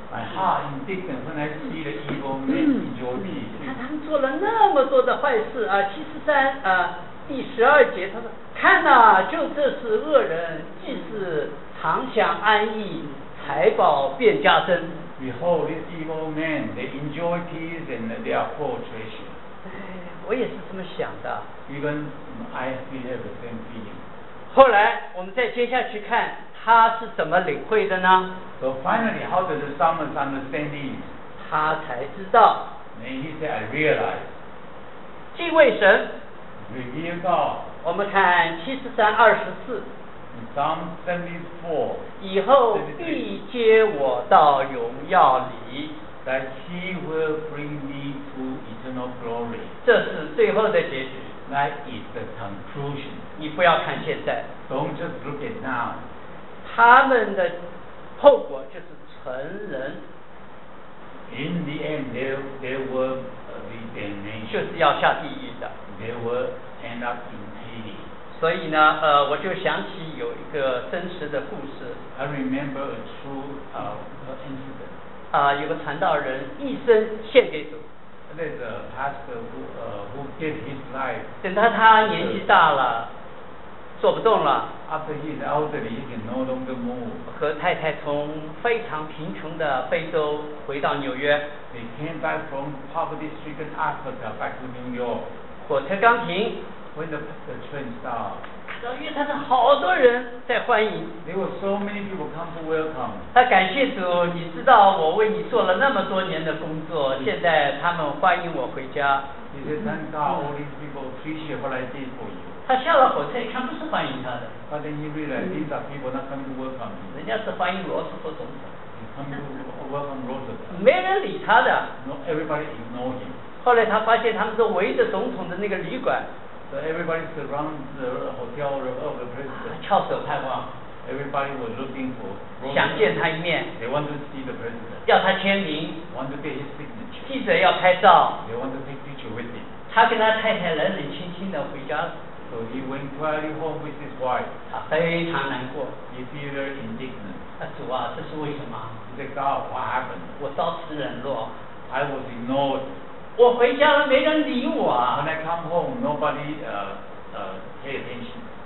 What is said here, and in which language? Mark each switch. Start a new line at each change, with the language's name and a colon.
English: My heart indignant when I see the evil men in your midst。
Chinese: 看他们做了那么多的坏事啊！73:12，他说：“看呐、啊，就这是恶人，既是常享安逸，财宝便加增。”
English: Behold, these evil men, they enjoy peace and they are poor treasure。
Chinese: 我也是这么想的。
English: Even I feel the same feeling.
Chinese: 后来我们再接下去看他是怎么领会的呢？
English: So finally, how does the psalmist understand this?
Chinese: 他才知道。
English: And he said, I realize.
Chinese: 敬畏神。
English: Revere God.
Chinese: 我们看73:24。
English: Psalm 74.
Chinese: 以后必接我到荣耀里。
English: That he will bring me to eternal glory.
Chinese: 这是最后的结局。
English: That is the conclusion.
Chinese: 你不要看现在。
English: Don't just look at now.
Chinese: 他们的后果就是成人。
English: In the end, they were the damnation.
Chinese: 就是要下地狱的。
English: They were end up in hell.
Chinese: 所以呢，我就想起有一个真实的故事。
English: I remember a true incident.
Chinese: 有个传道人一生献给主。
English: There's a pastor who gave his life.
Chinese: 等到他年纪大了，做不动了。
English: After he's elderly, he can no longer move.
Chinese: 和太太从非常贫穷的非洲回到纽约。
English: They came back from poverty-stricken Africa back to New York.
Chinese: 火车刚停。
English: When the train stopped.
Chinese: 约他的好多人在欢迎。
English: There were so many people come to welcome.
Chinese: 他感谢主，你知道我为你做了那么多年的工作，现在他们欢迎我回家。
English: He said, "Thank God, all these people appreciate what I did for you."
Chinese: 他下了火车，一看不是欢迎他的。
English: But then he realized these are people not coming to welcome him.
Chinese: 人家是欢迎罗斯福总统。
English: He came to welcome Roosevelt.
Chinese: 没人理他的。
English: No, everybody ignored him.
Chinese: 后来他发现他们是围着总统的那个旅馆。
English: So everybody surrounds the hotel of the president.
Chinese: 翘首盼望。
English: Everybody was looking for.
Chinese: 想见他一面。
English: They want to see the president.
Chinese: 要他签名。
English: Want to get his signature.
Chinese: 记者要拍照。
English: They want to take picture with him.
Chinese: 他跟他太太冷冷清清的回家。
English: So he went quietly home with his wife.
Chinese: 他非常难过。
English: He feels very indignant.
Chinese: 主啊，这是为什么？
English: He said, God, what happened?
Chinese: 我遭此冷落。
English: I was ignored.
Chinese: 我回家了，没人理我啊。
English: When I come home, nobody pay attention.